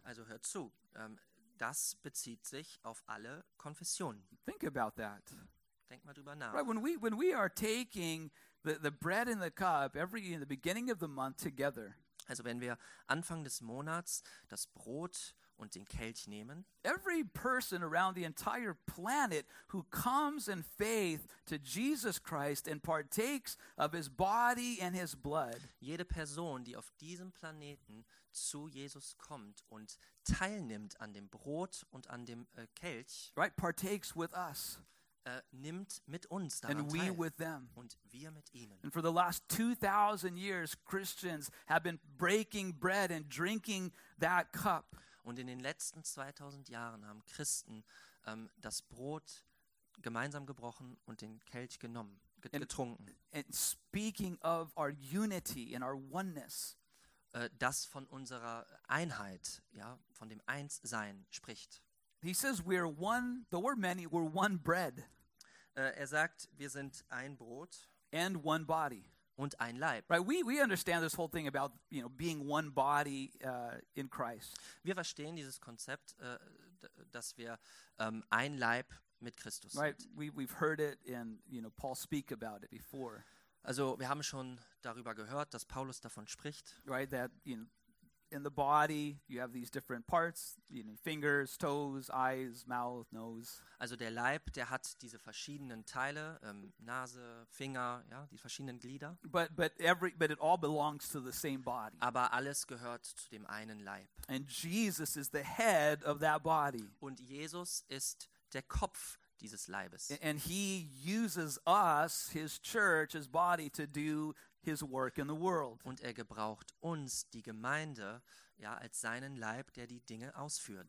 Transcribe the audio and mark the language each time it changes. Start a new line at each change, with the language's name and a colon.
German: Also hört zu, das bezieht sich auf alle Konfessionen.
English: Think about that.
German: Denk mal drüber nach.
English: Right, when we are taking the bread and the cup every in the beginning of the month together.
German: Also wenn wir Anfang des Monats das Brot und den Kelch nehmen.
English: Every person around the entire planet who comes in faith to Jesus Christ and partakes of his body and his blood.
German: Jede Person, die auf diesem Planeten zu Jesus kommt und teilnimmt an dem Brot und an dem Kelch.
English: Right, partakes with us.
German: Nimmt mit uns daran
English: and we
German: teil.
English: With them.
German: Und wir mit ihnen.
English: And for the last 2,000 years, Christians have been breaking bread and drinking that cup.
German: Und in den letzten 2,000 Jahren haben Christen das Brot gemeinsam gebrochen und den Kelch genommen, getrunken.
English: And speaking of our unity and our oneness.
German: Das von unserer Einheit, ja, von dem Einssein spricht.
English: He says we are one, though we're many, we're one bread.
German: Er sagt, wir sind ein Brot
English: and one body.
German: Und ein Leib.
English: Right, we understand this whole thing about, you know, being one body in Christ.
German: Wir verstehen dieses Konzept, dass wir ein Leib mit Christus sind.
English: Right, we've heard it and, you know, Paul speak about it before.
German: Also, wir haben schon darüber gehört, dass Paulus davon spricht.
English: Right, that in the body you have these different parts, fingers, toes, eyes, mouth, nose.
German: Also der Leib, der hat diese verschiedenen Teile, Nase, Finger, ja, die verschiedenen Glieder.
English: But it all belongs to the same body.
German: Aber alles gehört zu dem einen Leib.
English: And Jesus is the head of that body.
German: Und Jesus ist der Kopf dieses Leibes.
English: And he uses us, his church, his body to do his work in the world.
German: Und er gebraucht uns, die Gemeinde, ja, als seinen Leib, der die Dinge ausführt.